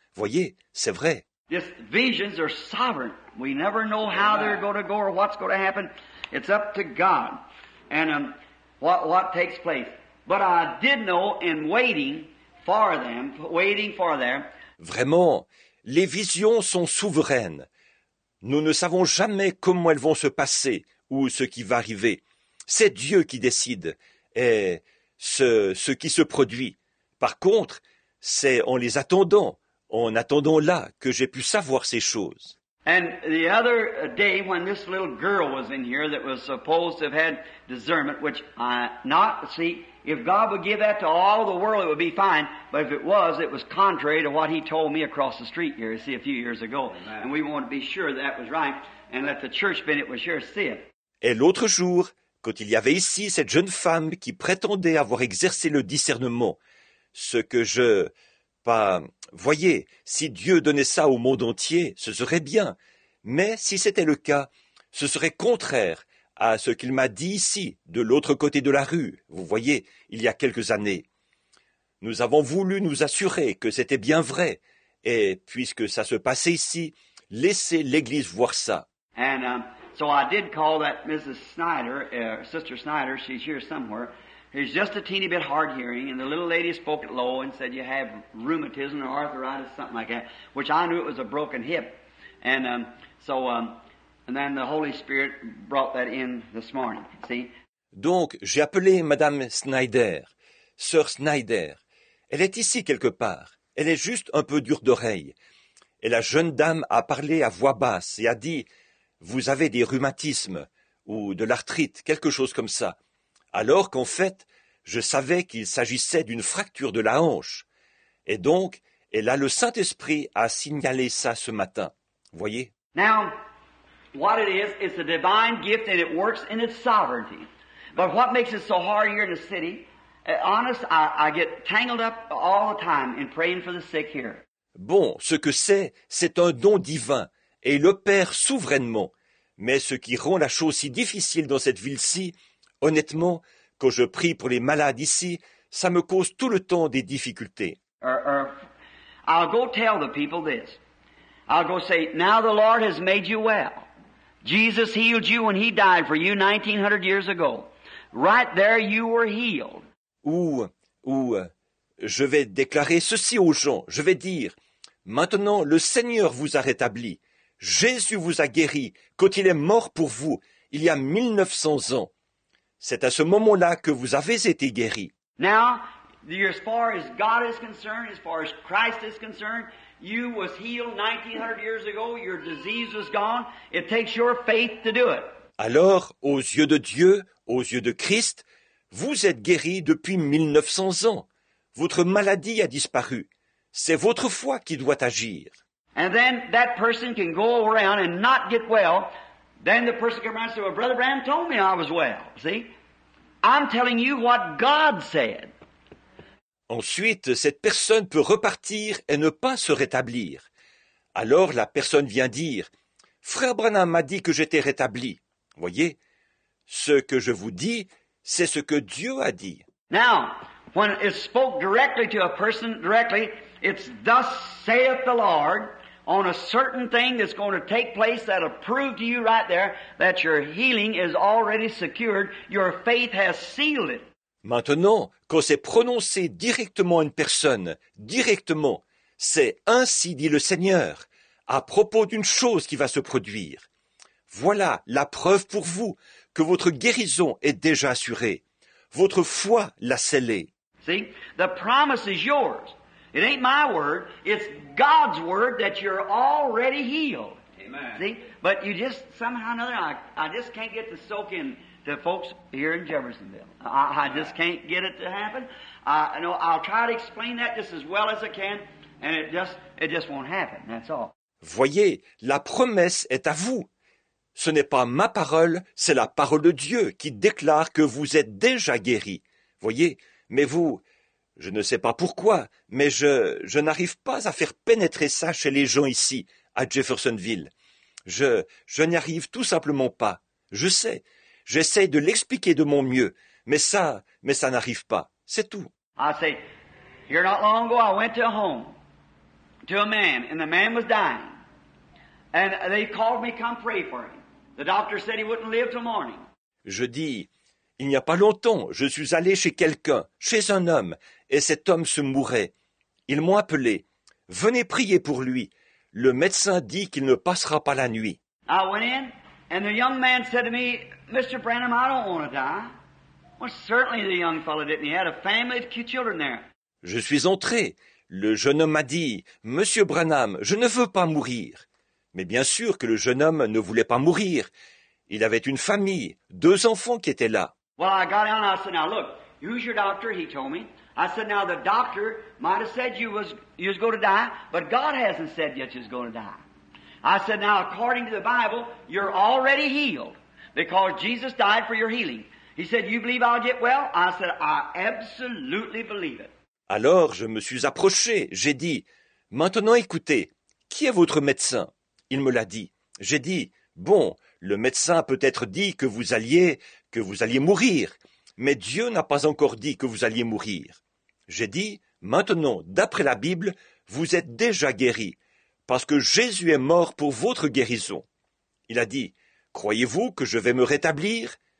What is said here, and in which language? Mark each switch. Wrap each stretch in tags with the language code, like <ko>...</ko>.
<fr>Voyez, c'est vrai.</fr> <en>These visions are sovereign. We never know how they're going to go or what's going to happen. It's up to God and what takes place. But I did know in waiting for them.</en> <fr>Vraiment, les visions sont souveraines. Nous ne savons jamais comment elles vont se passer ou ce qui va arriver. C'est Dieu qui décide et ce qui se produit. Par contre, c'est en les attendant, en attendant là, que j'ai pu savoir ces choses.</fr> <en>And the other day when this little girl was in here that was supposed to have had discernment, which I not see, if God would give that to all the world, it would be fine. But if it was contrary to what he told me across the street here, see, a few years ago. And we want to be sure that was right and let the church be it was here, see it.</en> <fr>Et l'autre jour, quand il y avait ici cette jeune femme qui prétendait avoir exercé le discernement, ce que je... Pas, voyez, si Dieu donnait ça au monde entier, ce serait bien. Mais si c'était le cas, ce serait contraire à ce qu'il m'a dit ici, de l'autre côté de la rue, vous voyez, il y a quelques années. Nous avons voulu nous assurer que c'était bien vrai. Et puisque ça se passait ici, laissez l'Église voir ça.</fr> <en>And, so I did call that Mrs. Snyder, Sister Snyder, she's here somewhere. He's just a teeny bit hard hearing, and the little lady spoke it low and said, you have rheumatism or arthritis, something like that, which I knew it was a broken hip. And and then the Holy Spirit brought that in this morning, see?</en> <fr>Donc, j'ai appelé Madame Snyder, Sœur Snyder. Elle est ici quelque part. Elle est juste un peu dure d'oreille. Et la jeune dame a parlé à voix basse et a dit, vous avez des rhumatismes ou de l'arthrite, quelque chose comme ça. Alors qu'en fait, je savais qu'il s'agissait d'une fracture de la hanche. Et donc, et là, le Saint-Esprit a signalé ça ce matin. Voyez.</fr> <en>Now, what it is, it's a divine gift and it works in its sovereignty. But what makes it so hard here in the city, honest, I get tangled up all the time in praying for the sick here.</en> <fr>Bon, ce que c'est un don divin et il opère souverainement. Mais ce qui rend la chose si difficile dans cette ville-ci, honnêtement, quand je prie pour les malades ici, ça me cause tout le temps des difficultés.</fr> <en>I'll go tell the people this. I'll go say, now the Lord has made you well. Jesus healed you when he died for you 1900 years ago. Right there you were healed.</en> <fr>Ou je vais déclarer ceci aux gens. Je vais dire, maintenant le Seigneur vous a rétabli. Jésus vous a guéri quand il est mort pour vous il y a 1900 ans. C'est à ce moment-là que vous avez été guéri.</fr> <en>Now, as far as God is concerned, as far as Christ is concerned, you was healed 1900 years ago, your disease was gone. It takes your faith to do it.</en> <fr>Alors, aux yeux de Dieu, aux yeux de Christ, vous êtes guéri depuis 1900 ans. Votre maladie a disparu. C'est votre foi qui doit agir.</fr> <en>And then that person can go around and not get well. Then the person came around and said, well, Brother Branham told me I was well. See? I'm telling you what God said.</en> <fr>Ensuite, cette personne peut repartir et ne pas se rétablir. Alors la personne vient dire, Frère Branham m'a dit que j'étais rétabli. Voyez, ce que je vous dis, c'est ce que Dieu a dit.</fr> <en>Now, when it spoke directly to a person directly, it's thus saith the Lord. On a certain thing that's going to take place that'll prove to you right there that your healing is already secured, your faith has sealed it.</en> <fr>Maintenant, quand c'est prononcé directement à une personne, directement, c'est ainsi dit le Seigneur, à propos d'une chose qui va se produire. Voilà la preuve pour vous que votre guérison est déjà assurée. Votre foi l'a scellée.</fr> <en>See, the promise is yours. It ain't my word, it's God's word that you're already healed. Amen. See, But you just somehow or another, I just can't get to soak in to folks here in Jeffersonville. I just can't get it to happen. No, I'll try to explain that just as well as I can, and it just won't happen. That's all.</en> <fr>Voyez, la promesse est à vous. Ce n'est pas ma parole, c'est la parole de Dieu qui déclare que vous êtes déjà guéri. Voyez, mais vous, je ne sais pas pourquoi, mais je n'arrive pas à faire pénétrer ça chez les gens ici, à Jeffersonville. Je n'y arrive tout simplement pas. Je sais, j'essaie de l'expliquer de mon mieux, mais ça n'arrive pas. C'est tout.</fr> <en>I say, here not long ago, I went to a home, to a man, and the man was dying. And they called me, come pray for him. The doctor said he wouldn't live till morning.</en> <fr>Je dis, il n'y a pas longtemps, je suis allé chez quelqu'un, chez un homme, et cet homme se mourait. Ils m'ont appelé, venez prier pour lui. Le médecin dit qu'il ne passera pas la nuit.</fr> <en>I went in, and the young man said to me, Mr. Branham, I don't want to die. Well, certainly the young fellow didn't. He had a family of cute children there.</en> <fr>Je suis entré. Le jeune homme m'a dit, Monsieur Branham, je ne veux pas mourir. Mais bien sûr que le jeune homme ne voulait pas mourir. Il avait une famille, deux enfants qui étaient là.</fr> <en>Well, I got on, I said, now look, who's your doctor, he told me. I said, now the doctor might have said you was going to die, but God hasn't said yet you're going to die. I said, now according to the Bible, you're already healed because Jesus died for your healing. He said, you believe I'll get well? I said, I absolutely believe it.</en> <fr>Alors je me suis approché, j'ai dit, maintenant écoutez, qui est votre médecin? Il me l'a dit. J'ai dit, « Bon, le médecin a peut-être dit que vous alliez mourir, mais Dieu n'a pas encore dit que vous alliez mourir. » J'ai dit, « Maintenant, d'après la Bible, vous êtes déjà guéri, parce que Jésus est mort pour votre guérison. » Il a dit, « Croyez-vous que je vais me rétablir ?»</fr>